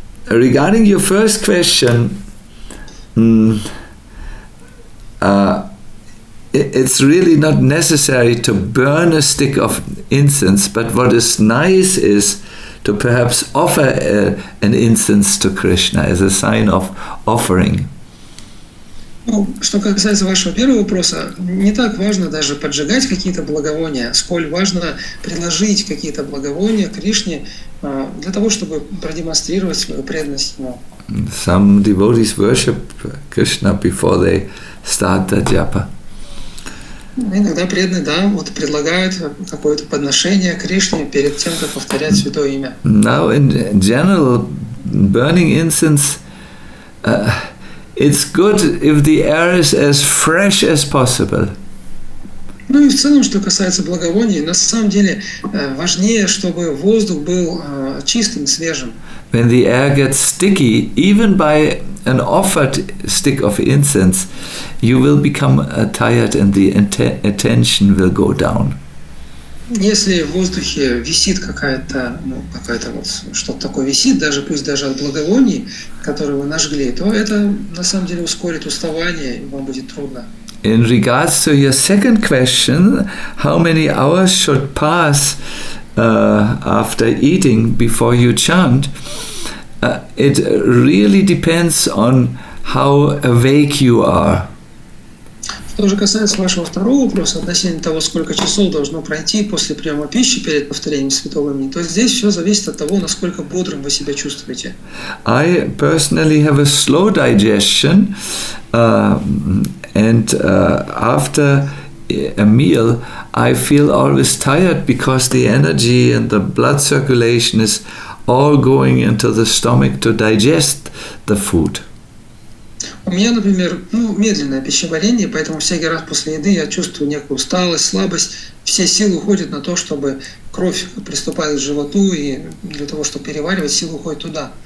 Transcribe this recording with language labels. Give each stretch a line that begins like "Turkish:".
English: Regarding your first question, it's really not necessary to burn a stick of incense, but what is nice is to perhaps offer an incense to Krishna as a sign of offering.
Russian: Ну, что касается вашего первого вопроса, не так важно даже поджигать какие-то благовония, сколь важно предложить какие-то благовония Кришне для того, чтобы продемонстрировать свою преданность ему.
English: Some devotees worship Krishna before they start the japa.
Russian: Иногда преданные, да, вот предлагают какое-то подношение Кришне перед тем, как повторять святое имя.
English: Now in general, burning incense. It's good if the air is as fresh as possible.
Russian: Ну и в целом, что касается благовоний, на самом деле важнее, чтобы воздух был чистым, свежим.
English: When the air gets sticky, even by an offered stick of incense, you will become tired and the attention will go down.
Russian: Если в воздухе висит какая-то, ну, какая-то вот что-то такое висит, даже пусть даже от благовоний, которые вы нажгли, то это на самом деле ускорит уставание, и вам будет трудно.
English: In regards to your second question, how many hours should pass after eating before you chant? It really depends on how awake you are.
Russian: Что же касается вашего второго вопроса относительно того, сколько часов должно пройти после приема пищи перед повторением святого имени, то здесь все зависит от того, насколько бодрым вы себя чувствуете.
English: I personally have a slow digestion, and after a meal, I feel always tired because the energy and the blood circulation is all going into the stomach to digest the food.
Russian: У меня, например, ну, медленное пищеварение, поэтому всякий раз после еды я чувствую некую усталость, слабость. Все силы уходят на то, чтобы кровь приступала к животу, и для того, чтобы переваривать, силы уходят туда.